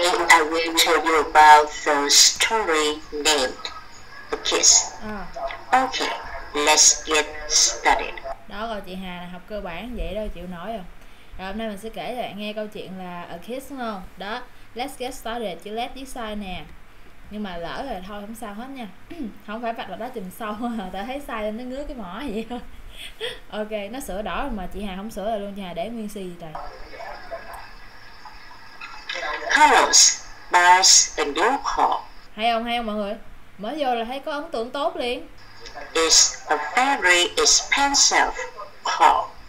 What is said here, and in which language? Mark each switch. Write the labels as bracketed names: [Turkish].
[English] I will tell you about the story named The Kiss. Okay, let's get started. [Vietnamese] Đó rồi, chị Hà là học cơ bản vậy đó, chịu nổi rồi. Rồi hôm nay mình sẽ kể cho bạn nghe câu chuyện là A Kiss đúng không? Đó, [English] let's get started, [Vietnamese] chữ let viết sai nè. Nhưng mà lỡ rồi thôi không sao hết nha. Không phải vạch vào đó chùm sâu, tại thấy sai nên nó ngứa cái mỏ vậy thôi. Ok, nó sửa đỏ rồi mà chị Hà không sửa rồi luôn, chị Hà để nguyên si gì trời. [English] Carlos buys a new car. [Vietnamese] Hay không mọi người? Mới vô là thấy có ấn tượng tốt liền. [English] It's a very expensive car.